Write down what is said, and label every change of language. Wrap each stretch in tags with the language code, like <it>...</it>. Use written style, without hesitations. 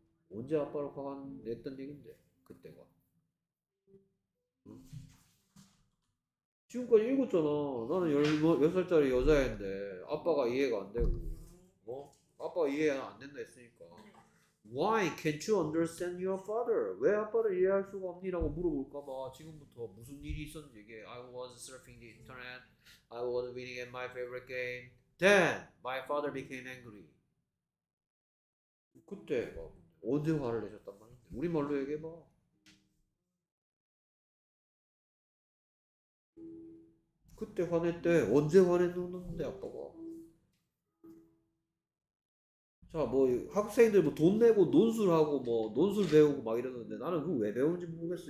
<ko>언제 아빠를 화가 냈던 얘긴데, 그때가. 지금까지 읽었잖아. 나는 16살짜리 여자애인데, 아빠가 이해가 안 되고, 뭐? 아빠가 이해가 안 된다 했으니까.</ko> <en>Why can't you understand your father?</en> <ko>왜 아빠를 이해할 수가 없니? 라고 물어볼까봐 지금부터 무슨 일이 있었는지 얘기해.</ko> <en>I was surfing the internet. I was winning at my favorite game. Then my father became angry.</en> <ko>그때 막 언제 화를 내셨단 말인데? 우리말로 얘기해봐. 그때 화냈대. 언제 화냈는데 아빠가? 자, 뭐 학생들 뭐돈 내고 논술하고 뭐 논술 배우고 막 이러는데 나는 그거 왜 배운지 모르겠어.</ko>